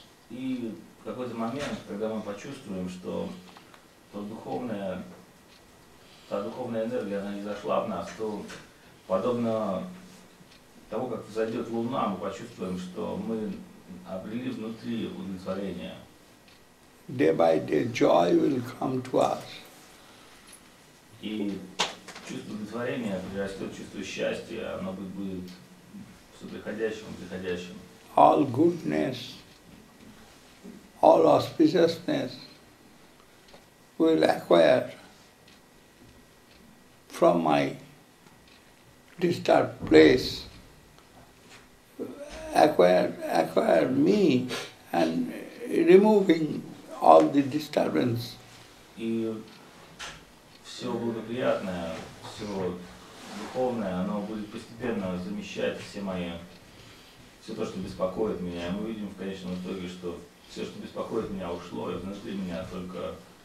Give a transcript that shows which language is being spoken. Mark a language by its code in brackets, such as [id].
[ru] И в какой-то момент, когда мы почувствуем, что Та духовная энергия, она не зашла в нас, то подобно тому, как зайдет луна, мы почувствуем, что мы обрели внутри удовлетворение. [en] Day by day, joy will come to us. [ru] И чувство удовлетворения растет, чувство счастья, оно будет все приходящим, приходящим. [en] All goodness, all auspiciousness will acquire from my disturbed place, acquire me and removing all the disturbance. [ru] И все благоприятное, все духовное, оно будет постепенно замещать все мои, все то, что беспокоит меня. И мы видим в конечном итоге, что все, что беспокоит меня, ушло, и внутри меня только...